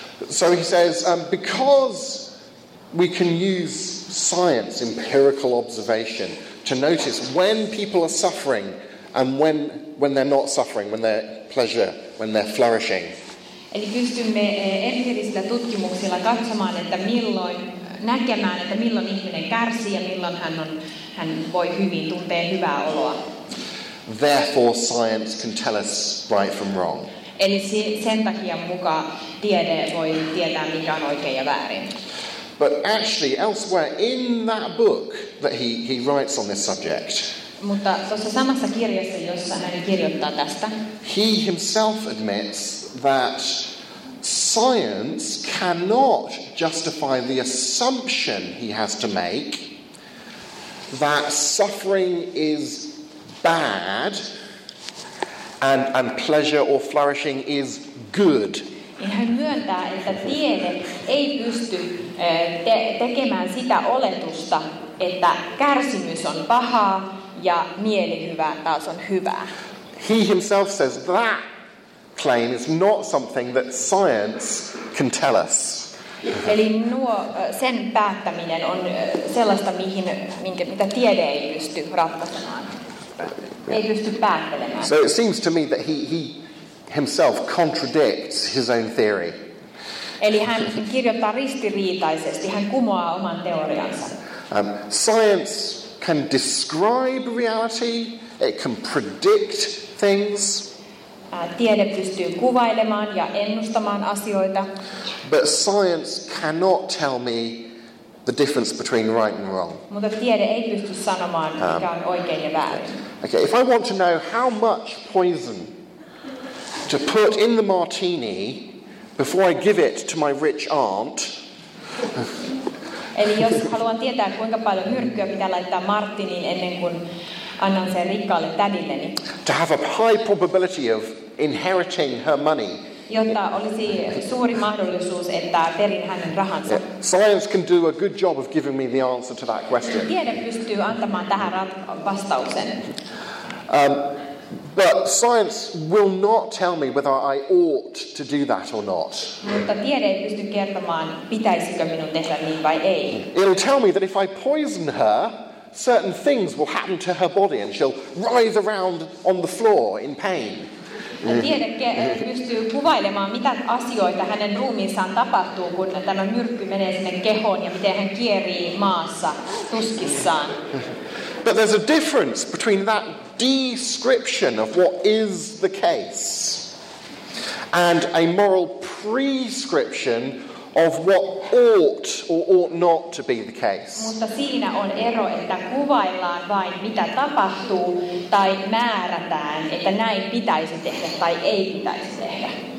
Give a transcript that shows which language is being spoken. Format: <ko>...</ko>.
<en>So he says because we can use science, empirical observation, to notice when people are suffering and when they're not suffering, when they're pleasure, when they're flourishing.</en> <fi>Eli pystymme empiirisillä tutkimuksilla katsomaan, että milloin näkemään, että milloin ihminen kärsii ja milloin hän voi hyvin, tuntee hyvää oloa.</fi> <en>Therefore, science can tell us right from wrong.</en> <fi>Eli sen takia muka tiede voi tietää, mikä on oikein ja väärin.</fi> <en>But actually, elsewhere in that book that he writes on this subject,</en> <fi>mutta tuossa samassa kirjassa, jossa hän kirjoittaa tästä,</fi> <en>he himself admits that science cannot justify the assumption he has to make that suffering is bad and pleasure or flourishing is good.</en> <fi>Hän myöntää, että tiede ei pysty tekemään sitä oletusta, että kärsimys on pahaa ja mielihyvä taas on hyvää.</fi> <en>He himself says that claim is not something that science can tell us.</en> <fi>Eli nuo sen päättäminen on sellaista, mihin mitä tiede ei pysty ratkaisemaan. Ei pysty päättelemään.</fi> <en>So it seems to me that he himself contradicts his own theory.</en> <fi>Eli hän kirjoittaa ristiriitaisesti, hän kumoaa oman teoriansa.</fi> <en>Science can describe reality, it can predict things.</en> <fi>Tiede pystyy kuvailemaan ja ennustamaan asioita.</fi> <en>But science cannot tell me the difference between right and wrong.</en> <fi>Mutta tiede ei pysty sanomaan, mikä on oikein ja väärin.</fi> <en>Okay, if I want to know how much poison to put in the martini before I give it to my rich aunt.</en> <fi>Eli jos haluan tietää, kuinka paljon myrkkyä pitää laittaa martiniin ennen kuin annan sen rikkaalle tädilleni.</fi> <en>To have a high probability of inheriting her money.</en> <fi>Jotta olisi suuri mahdollisuus, että perin hänen rahansa.</fi> <en>Yeah. Science can do a good job of giving me the answer to that question.</en> <fi>Tiede pystyy antamaan tähän vastauksen.</fi> <en>But science will not tell me whether I ought to do that or not.</en> <fi>Mutta tiede ei pysty kertomaan, pitäisikö minun tehdä niin vai ei.</fi> <en>It'll tell me that if I poison her, certain things will happen to her body and she'll writhe around on the floor in pain.</en> <fi>Tiede pystyy kuvailemaan, mitä asioita hänen ruumiinsaan tapahtuu, kun tämä myrkky menee sinne kehoon ja miten hän kierii maassa tuskissaan.</fi> <en>But there's a difference between that description of what is the case and a moral prescription of what ought or ought not to be the case.</en> <fi>Mutta siinä on ero, että kuvaillaan vain mitä tapahtuu tai määrätään, että näin pitäisi tehdä tai ei pitäisi tehdä.</fi>